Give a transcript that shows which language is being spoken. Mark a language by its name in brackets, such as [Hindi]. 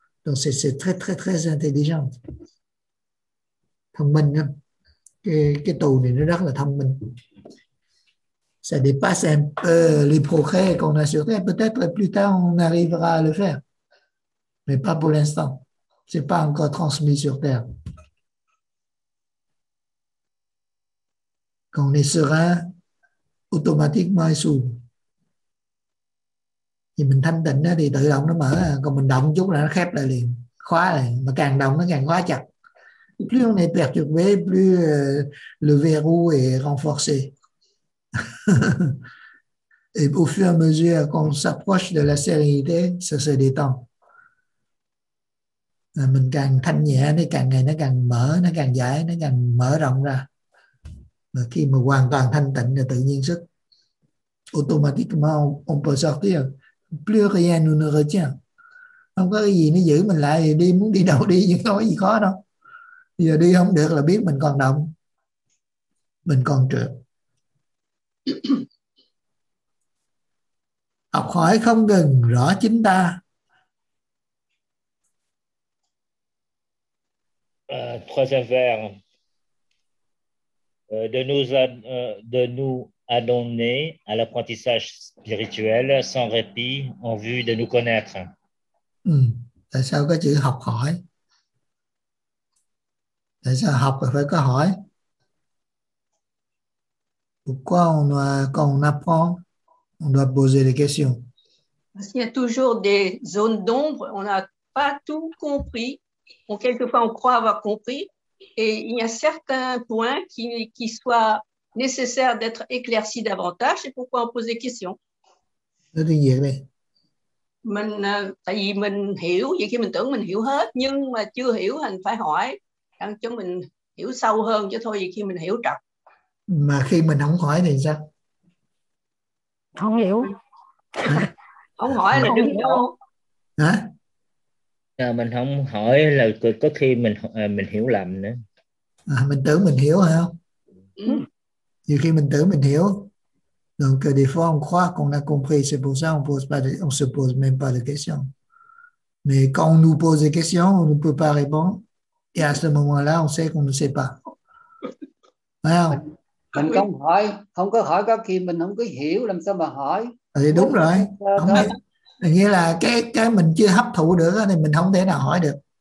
[French] Donc, c'est très, très, très intelligent. Ça dépasse un peu les progrès qu'on a sur Terre. Peut-être plus tard, on arrivera à le faire. Mais pas pour l'instant. Ce n'est pas encore transmis sur Terre. Quand on est serein, automatiquement, il s'ouvre. [Vietnamese] Thì mình thanh tịnh đó thì tự động nó mở, còn mình động chút là nó khép lại liền, khóa lại, mà càng động nó càng khóa chặt. [French] Plus on est perturbé, plus le verrou est renforcé. Et au fur et à mesure qu'on s'approche de la sérénité, ça se détend. [Vietnamese] Mình càng thanh nhẹ thì càng ngày nó càng mở, nó càng giải, nó càng mở rộng ra. Mà khi mà hoàn toàn thanh tịnh là tự nhiên sức. [French] Automatiquement, on peut sortir. Plus rien nous ne retient. [Vietnamese] Không có cái gì nó giữ mình lại, đi muốn đi đâu đi, nhưng không có gì khó đâu. Giờ đi không được là biết mình còn động, mình còn trượt. Học hỏi không ngừng, rõ chính ta. [French] Troisième vers. De nous adonner à l'apprentissage spirituel sans répit en vue de nous connaître. [Vietnamese] Tại sao có chữ học hỏi? Tại sao học phải có hỏi? [French] Pourquoi on quand on apprend, on doit poser des questions? Parce qu'il y a toujours des zones d'ombre, on n'a pas tout compris. Bon, quelquefois, on croit avoir compris. Et il y a certains points qui soient nécessaires d'être éclaircis davantage. C'est pourquoi on pose des questions. [Vietnamese] Rất là nhiều đây. Mình, tại vì mình hiểu, vậy khi mình tưởng mình hiểu hết, nhưng mà chưa hiểu thì phải hỏi, đang cho mình hiểu sâu hơn chứ thôi, vậy khi mình hiểu trọng. Mà khi mình không hỏi thì sao? Không hiểu. Không hỏi là đứng chỗ. Hả? Mình không hỏi là có khi mình hiểu lầm nữa. Mình tưởng mình hiểu hả? Nhiều khi mình tưởng mình hiểu. [French] Donc des fois on croit qu'on a compris, c'est pour ça on se pose même pas de questions. Mais quand on nous pose des questions, on ne peut pas répondre. Et à ce moment-là, on sait qu'on ne sait pas. [Vietnamese] Phải không? Mình không hỏi, không có hỏi có khi mình không có hiểu, làm sao mà hỏi? Thì đúng rồi. Không biết. Nghĩa là cái mình chưa hấp thụ được thì mình không thể nào hỏi được.